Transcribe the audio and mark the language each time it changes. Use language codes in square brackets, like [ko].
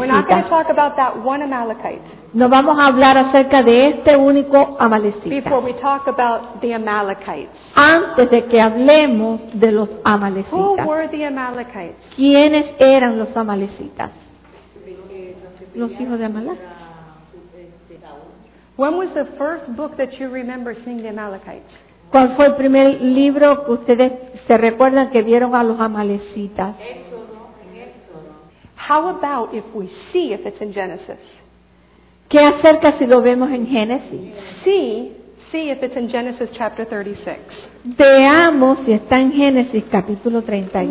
[en] We're not going to talk about that one Amalekite. [es] No vamos a hablar acerca de este único amalecita. [en] Before we talk about the Amalekites. [es] Antes de que hablemos de los amalecitas. [en] Who were the Amalekites? [es] ¿Quiénes eran los amalecitas? Los hijos de Amalek. [en] When was the first book that you remember seeing the Amalekites? [es] ¿Cuál fue el primer libro que ustedes se recuerdan que vieron a los amalecitas? [en] How about if we see if it's in Genesis? [es] ¿Qué acerca si lo vemos en Génesis? [en] See if it's in Genesis chapter 36. [es] Veamos si está en Génesis capítulo 36.